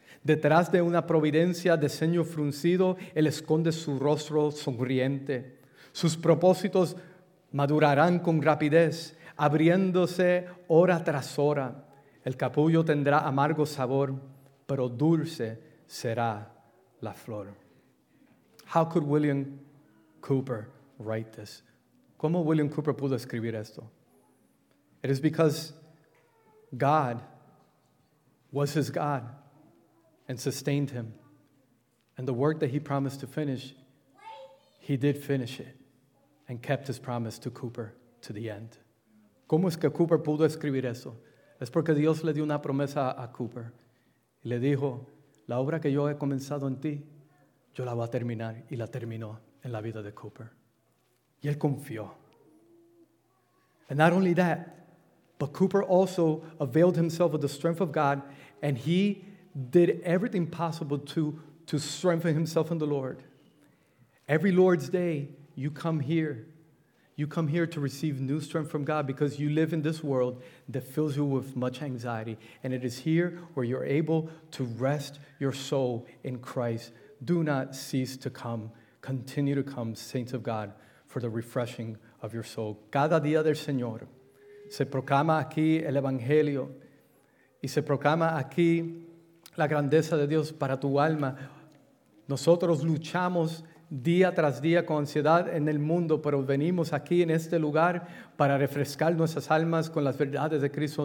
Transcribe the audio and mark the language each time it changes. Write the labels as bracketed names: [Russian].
[Spanish] Detrás de una providencia de ceño fruncido, Él esconde su rostro sonriente. Sus propósitos madurarán con rapidez, abriéndose hora tras hora. El capullo tendrá amargo sabor, pero dulce será la flor. [English] How could William Cooper write this? [Spanish] ¿Cómo William Cooper pudo escribir esto? [English] It is because God was his God and sustained him. And the work that he promised to finish, he did finish it. And kept his promise to Cooper to the end. [Spanish] ¿Cómo es que Cooper pudo escribir eso? Es porque Dios le dio una promesa a Cooper. Y le dijo, la obra que yo he comenzado en ti, yo la voy a terminar. Y la terminó en la vida de Cooper. Y él confió. [English] And not only that, but Cooper also availed himself of the strength of God. And he did everything possible to strengthen himself in the Lord. Every Lord's Day, you come here. You come here to receive new strength from God because you live in this world that fills you with much anxiety. And it is here where you're able to rest your soul in Christ. Do not cease to come. Continue to come, saints of God, for the refreshing of your soul. [Spanish] Cada día del Señor se proclama aquí el Evangelio y se proclama aquí la grandeza de Dios para tu alma. Nosotros luchamos día tras día con ansiedad en el mundo, pero venimos aquí en este lugar para refrescar nuestras almas con las verdades de Cristo.